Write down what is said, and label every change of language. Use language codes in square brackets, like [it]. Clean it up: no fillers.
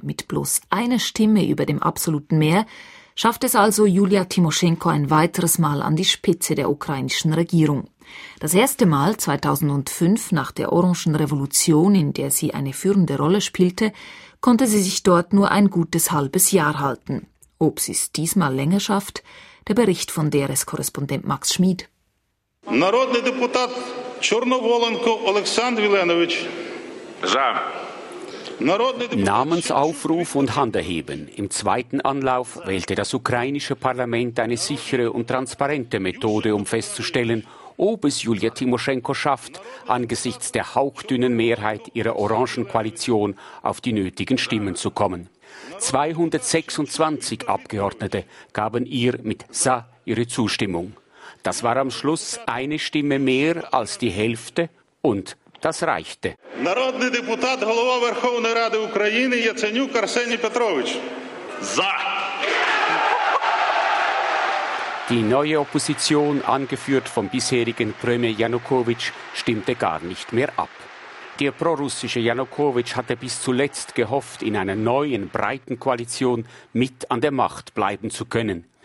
[de] Mit bloß einer Stimme über dem absoluten Mehr schafft es also Julia Timoschenko ein weiteres Mal an die Spitze der ukrainischen Regierung. Das erste Mal 2005 nach der Orangen Revolution, in der sie eine führende Rolle spielte, konnte sie sich dort nur ein gutes halbes Jahr halten. Ob sie es diesmal länger schafft, der Bericht von DRS-Korrespondent Max Schmid. [uk] Народний депутат Чорноволенко Олександр Віленович. За. [de] Namensaufruf und Handerheben. Im zweiten Anlauf wählte das ukrainische Parlament eine sichere und transparente Methode, um festzustellen, ob es Julia Timoschenko schafft, angesichts der hauchdünnen Mehrheit ihrer Orangen Koalition auf die nötigen Stimmen zu kommen. 226 Abgeordnete gaben ihr mit «Sa» ihre Zustimmung. Das war am Schluss eine Stimme mehr als die Hälfte und das reichte. [uk] Народний депутат, голова Верховної Ради України Яценюк Арсеній Петрович. За. [de] Die neue Opposition, angeführt vom bisherigen Premier Janukowitsch, stimmte gar nicht mehr ab. Der prorussische Janukowitsch hatte bis zuletzt gehofft, in einer neuen breiten Koalition mit an der Macht bleiben zu können.